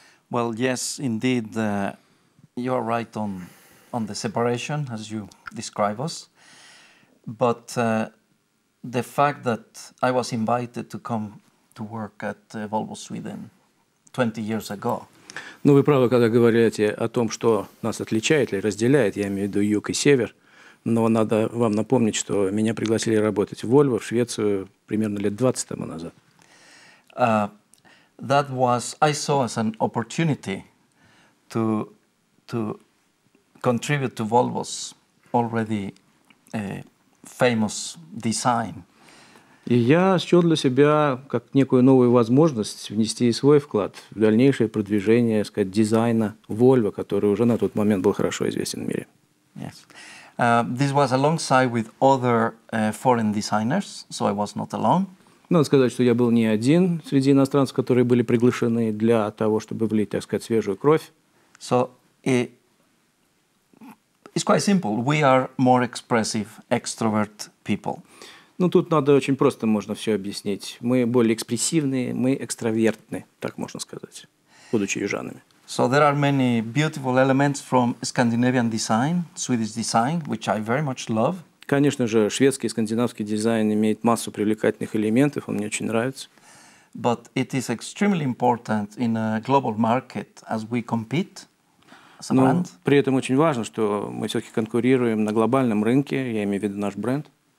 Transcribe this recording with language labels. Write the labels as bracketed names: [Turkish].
[English] Well, yes, indeed, you are right on the separation, as you describe us. But the fact that I was invited to come to work at Volvo Sweden 20 years ago. [Russian] Ну, вы правы, когда говорите о том, что нас отличает или разделяет, я имею в виду юг и север, но надо вам напомнить, что меня пригласили работать в Volvo в Швецию примерно лет 20 тому назад. [English] That was, I saw as an opportunity to contribute to Volvo's already famous design. [Russian] И я счел для себя как некую новую возможность внести свой вклад в дальнейшее продвижение, сказать, дизайна Volvo, который уже на тот момент был хорошо известен в мире. [English] Yes. This was alongside with other foreign designers, so I was not alone. [Russian] Надо сказать, что я был не один среди иностранцев, которые были приглашены для того, чтобы влить, так сказать, свежую кровь. [English] So it's quite simple. We are more expressive, extrovert people. [Russian] Ну, тут надо очень просто, можно все объяснить. Мы более экспрессивные, мы экстравертны, так можно сказать, будучи южанами. [English] So there are many beautiful elements from Scandinavian design, Swedish design, which I very much love. [Russian] Конечно же, шведский и скандинавский дизайн имеет массу привлекательных элементов, он мне очень нравится. [English] But it is extremely important in a global market as we compete. [Russian] Но при этом очень важно, что мы все-таки конкурируем на глобальном рынке, я имею в виду наш бренд.